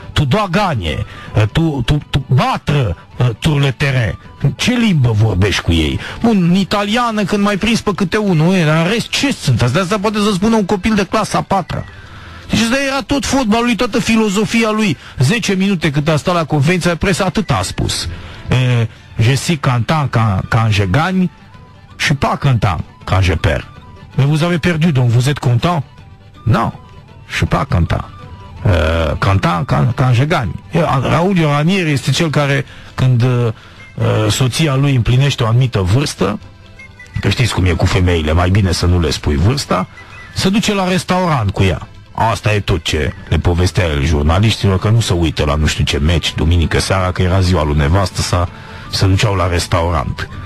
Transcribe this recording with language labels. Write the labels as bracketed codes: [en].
[ro] Tu doa ganie, tu batră tur le teren. Ce limbă vorbești cu ei? Bun, în italiană când mai prins pe câte unul, dar în rest ce sunt? Asta poate să spună un copil de clasa a patra. Deci ăsta era tot fotbalul lui, toată filozofia lui. 10 minute cât a stat la conferința de presă, atât a spus. [fr] Je suis content quand je gagne, je suis pas content quand je perds. Mais vous avez perdu, donc vous êtes content? Non, je suis pas content. Content quand je gagne. [ro] Raul Ranieri este cel care, când soția lui împlinește o anumită vârstă, că știți cum e cu femeile, mai bine să nu le spui vârsta, se duce la restaurant cu ea. Asta e tot ce le povestea el jurnaliștilor, că nu se uită la nu știu ce meci duminică seara, că era ziua lui nevastă, se duceau la restaurant.